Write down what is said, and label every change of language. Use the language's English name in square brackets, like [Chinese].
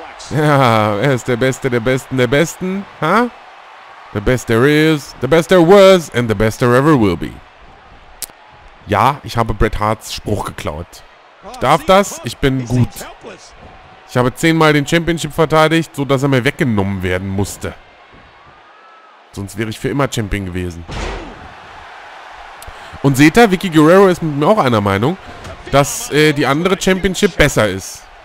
[German] Ja, er ist der Beste der Besten der Besten. Ha? Huh? [English] The best there is, the best there was, and the best there ever will be. [German] Ja, ich habe Bret Harts Spruch geklaut. Ich darf das, ich bin gut. Ich habe 10-mal den Championship verteidigt, sodass er mir weggenommen werden musste. Sonst wäre ich für immer Champion gewesen. Und seht ihr, Vicky Guerrero ist mit mir auch einer Meinung, dass die andere Championship besser ist.